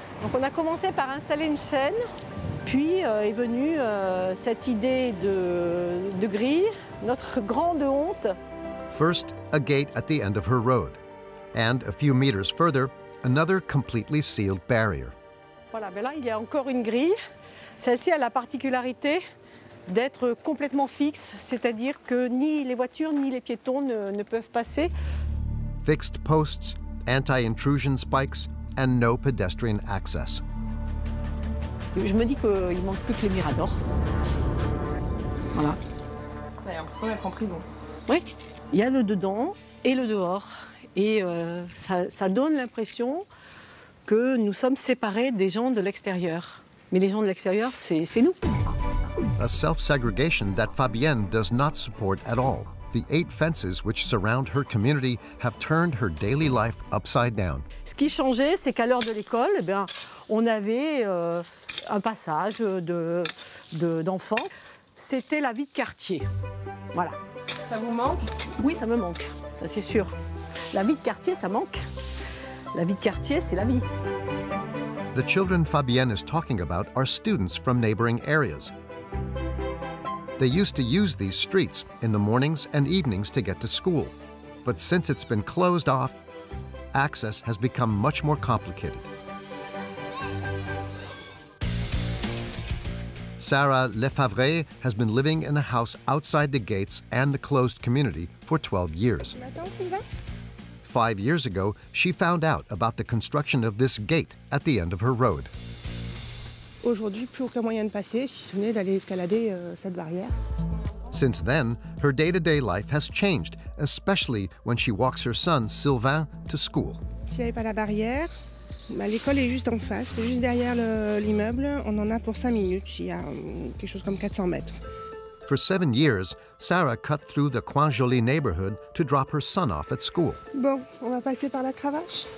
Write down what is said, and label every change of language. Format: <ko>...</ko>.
<fr>Donc on a commencé par installer une chaîne, puis est venue cette idée de grille, notre grande honte.</fr> <en>First, a gate at the end of her road. And a few meters further, another completely sealed barrier.</en> <fr>Voilà, mais là, il y a encore une grille. Celle-ci a la particularité d'être complètement fixe, c'est-à-dire que ni les voitures ni les piétons ne peuvent passer.</fr> <en>Fixed posts, anti-intrusion spikes, and no pedestrian access.</en> <fr>Je me dis qu'il manque plus que les miradors. Voilà. Ça a l'impression d'être en prison. Oui, il y a le dedans et le dehors. Et ça donne l'impression que nous sommes séparés des gens de l'extérieur. Mais les gens de l'extérieur, c'est nous.</fr> <en>A self-segregation that Fabienne does not support at all. The 8 fences which surround her community have turned her daily life upside down.</en> <fr>Ce qui changeait, c'est qu'à l'heure de l'école, eh bien, on avait un passage d'enfants. C'était la vie de quartier. Voilà. Ça vous manque? Oui, ça me manque, ça, c'est sûr. La vie de quartier, ça manque. La vie de quartier, c'est la vie.</fr> <en>The children Fabienne is talking about are students from neighboring areas. They used to use these streets in the mornings and evenings to get to school. But since it's been closed off, access has become much more complicated. Sarah Lefavre has been living in a house outside the gates and the closed community for 12 years. 5 years ago, she found out about the construction of this gate at the end of her road.</en> <fr>Aujourd'hui, plus aucun moyen de passer, si ce n'est d'aller escalader cette barrière.</fr> <en>Since then, her day-to-day life has changed, especially when she walks her son, Sylvain, to school.</en> <fr>S'il n'y avait pas la barrière, bah, l'école est juste en face, c'est juste derrière l'immeuble. On en a pour 5 minutes, il y a quelque chose comme 400 mètres.</fr> <en>For 7 years, Sarah cut through the Coin Joli neighborhood to drop her son off at school.</en> <fr>Bon, on va passer par la cravache.</fr>